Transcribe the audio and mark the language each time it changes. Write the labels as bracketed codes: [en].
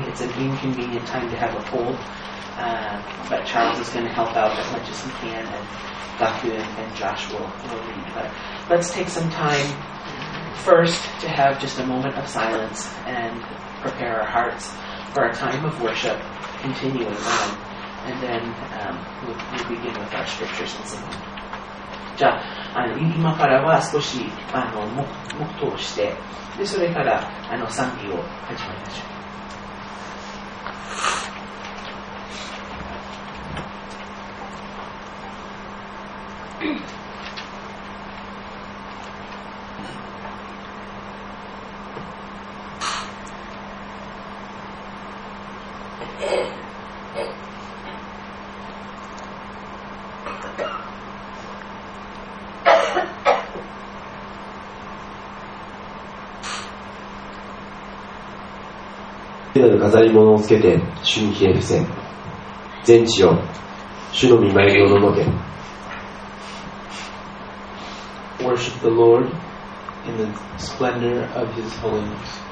[en] It's an inconvenient time to have a cold, but Charles is going to help out as much as he can, and Gaku and Josh will lead. But let's take some time. First, to have just a moment of silence and prepare our hearts for our time of worship continuing on, and then we'll begin with our scriptures and singing. [ja] じゃあ、今からは少し黙祷をして、で、それから賛美を始めましょう。ペラの飾り物をつけて主に冷え伏せ、全地を主の御前におののけ。 [en] Worship the Lord in the splendor of His holiness.